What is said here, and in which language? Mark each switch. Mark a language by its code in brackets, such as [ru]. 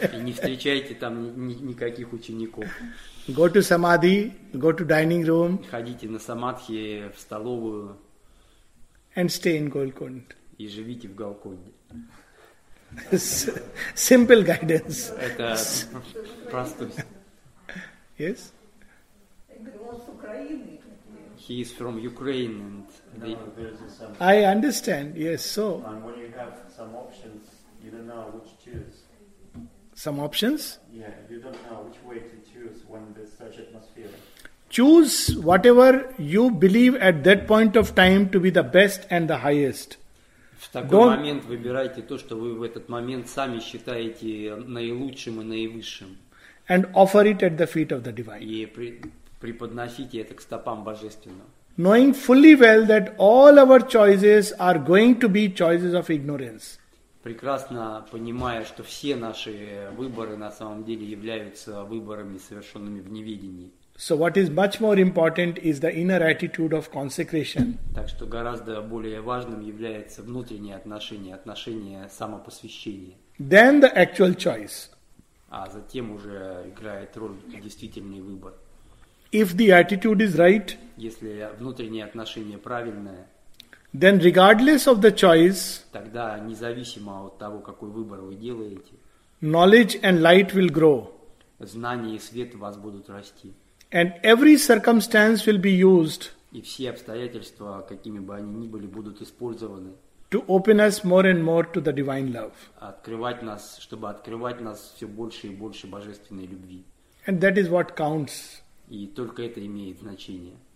[ru] И не встречайте там никаких учеников. [en] Go to Samadhi, go to dining room. [ru] Ходите на Самадхи в столовую. [en] And stay in Golconda. [ru] И живите в Голконде. [en] Simple guidance. [ru] Это просто. [en] Yes. He is from Ukraine, and they... I understand. Yes, so. And when you have some options, you don't know which choose. Some options? Yeah, you don't know which way to choose when there's such atmosphere. Choose whatever you believe at that point of time to be the best and the highest. [ru] В такой [en] Don't... [ru] момент выбирайте то, что вы в этот момент сами считаете наилучшим и наивысшим. [en] And offer it at the feet of the divine. [ru] И преподносите это к стопам божественного. [en] Knowing fully well that all our choices are going to be choices of ignorance. [ru] Прекрасно понимая, что все наши выборы на самом деле являются выборами, совершенными в неведении. [en] So what is much more important is the inner attitude of consecration. [ru] Так что гораздо более важным является внутреннее отношение, отношение самопосвящения. [en] Then the actual choice. [ru] А затем уже играет роль действительный выбор. [en] If the attitude is right, [ru] если внутреннее отношение правильное, [en] then regardless of the choice, [ru] тогда независимо от того, какой выбор вы делаете, [en] knowledge and light will grow. [ru] Знание и свет в вас будут расти. [en] And every circumstance will be used. [ru] И все обстоятельства, какими бы они ни были, будут использованы. [en] To open us more and more to the divine love. [ru] Открывать нас, чтобы открывать нас все больше и больше божественной любви. [en] And that is what counts. [ru] И только это имеет значение.